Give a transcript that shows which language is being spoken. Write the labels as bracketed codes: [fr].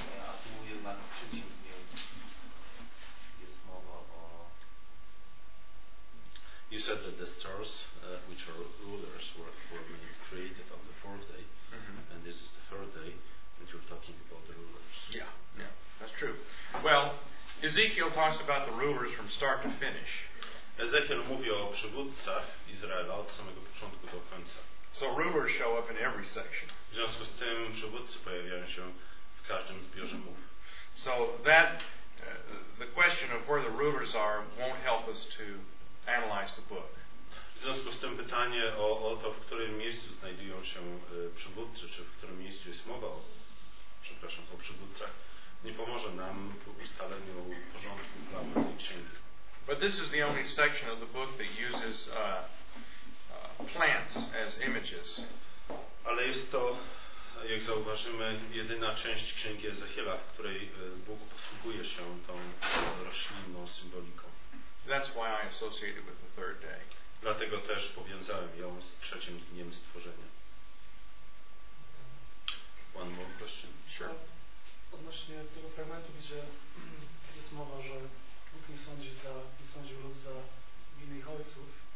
[pl] A tu jednak w trzecim dniu jest mowa o... [en] You said that the stars, which are rulers, were made, created on the fourth day, mm-hmm. and this is the third day that you're talking about the rulers. Yeah, yeah, that's true. Well, Ezekiel talks about the rulers from start to finish. [pl] Ezekiel mówi o przywódcach Izraela od samego początku do końca. [en] So rulers show up in every section. [pl] W związku z tym przywódcy pojawiają się każdym zbiorze mów. [en] So that the question of where the rulers are won't help us to analyze the book. [pl] W związku z tym pytanie o to, w którym miejscu znajdują się przywódcy, czy w którym miejscu jest mowa o, przepraszam, o przywódcach, nie pomoże nam w ustaleniu porządku dla tej księgi. [en] But this is the only section of the book that uses plants as images. [pl] Ale jest to, jak zauważymy, jedyna część księgi Ezechiela, w której Bóg posługuje się tą roślinną symboliką. [en] That's why I associated with the third day. [pl] Dlatego też powiązałem ją z trzecim dniem stworzenia. [en] One more question. Sure. [pl] Odnośnie tego fragmentu widzę, jest mowa, że Bóg nie sądzi za, nie sądził lud za winy ich ojców.